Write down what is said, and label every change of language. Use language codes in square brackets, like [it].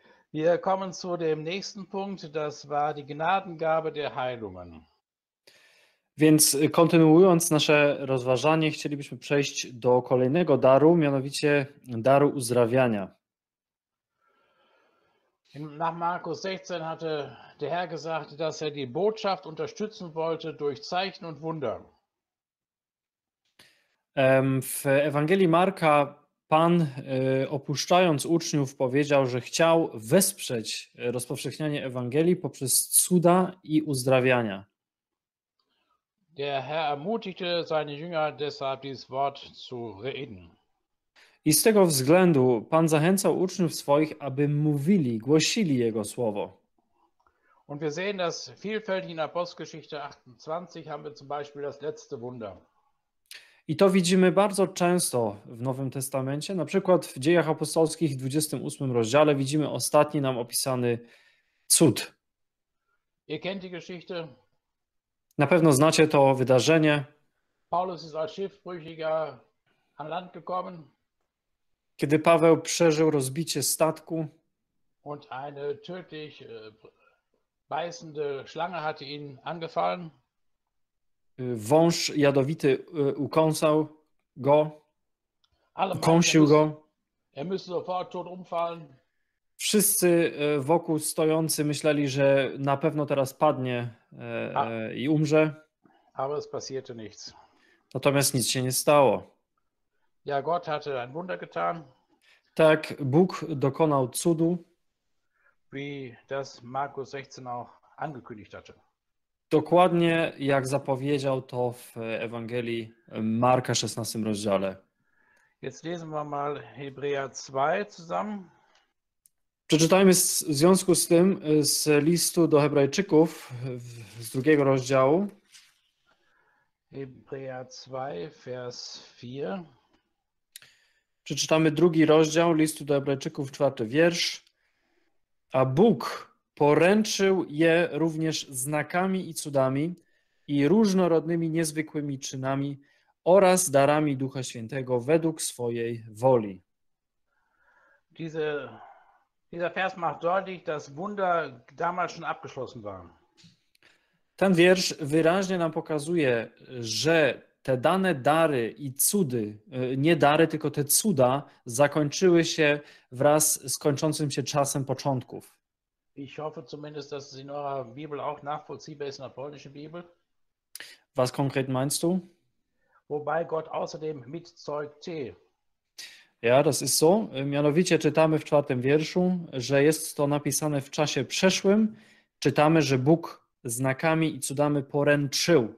[de] Wir kommen zu dem nächsten Punkt, das war die Gnadengabe der Heilungen. [pl] Więc kontynuując nasze rozważanie, chcielibyśmy przejść do kolejnego daru, mianowicie daru uzdrawiania. [de] Nach Markus 16 hatte der Herr gesagt, dass er die Botschaft unterstützen wollte durch Zeichen und Wunder. [pl] W Ewangelii Marka Pan, opuszczając uczniów, powiedział, że chciał wesprzeć rozpowszechnianie Ewangelii poprzez cuda i uzdrawiania. [de] Der Herr ermutigte seine Jünger deshalb dieses Wort zu reden. [pl] I z tego względu Pan zachęcał uczniów swoich, aby mówili, głosili jego słowo. [de] Und wir sehen das vielfältig in Apostelgeschichte 28 haben wir zum Beispiel das letzte Wunder. [pl] I to widzimy bardzo często w Nowym Testamencie, na przykład w Dziejach Apostolskich w 28 rozdziale widzimy ostatni nam opisany cud. [de] Ihr kennt die Geschichte. [pl] Na pewno znacie to wydarzenie. [de] Paulus ist als Schiffbrüchiger an Land gekommen. [pl] Kiedy Paweł przeżył rozbicie statku. [de] Und eine tödlich beißende Schlange hatte ihn angefallen. [pl] Wąż jadowity ukąsał go. Ukąsił go. [de] Er müsste sofort tot umfallen. [pl] Wszyscy wokół stojący myśleli, że na pewno teraz padnie i umrze. [de] Aber es passierte nichts. [pl] Natomiast nic się nie stało. [de] Ja, Gott hatte ein Wunder getan. [pl] Tak, Bóg dokonał cudu. [de] Wie das Markus 16 auch angekündigt hatte. [pl] Dokładnie jak zapowiedział to w Ewangelii Marka 16 rozdziale. [de] Jetzt lesen wir mal Hebräer 2 zusammen. [pl] Przeczytajmy w związku z tym z listu do Hebrajczyków z drugiego rozdziału. [de] Hebrea 2, vers 4. [pl] Przeczytamy drugi rozdział listu do Hebrajczyków, 4 wiersz. A Bóg poręczył je również znakami i cudami i różnorodnymi, niezwykłymi czynami oraz darami Ducha Świętego według swojej woli. [de] Dieser Vers macht deutlich, dass Wunder damals schon abgeschlossen waren. [pl] Ten wiersz wyraźnie nam pokazuje, że te dane dary i cudy, nie dary, tylko te cuda, zakończyły się wraz z kończącym się czasem początków. [de] Ich hoffe zumindest, dass es in eurer Bibel auch nachvollziehbar ist, in der polnischen Bibel. Was konkret meinst du? Wobei Gott außerdem mitzeugt. Ja, das ist so. [pl] Mianowicie czytamy w 4. Wierszu, że jest to napisane w czasie przeszłym. Czytamy, że Bóg znakami i cudami poręczył.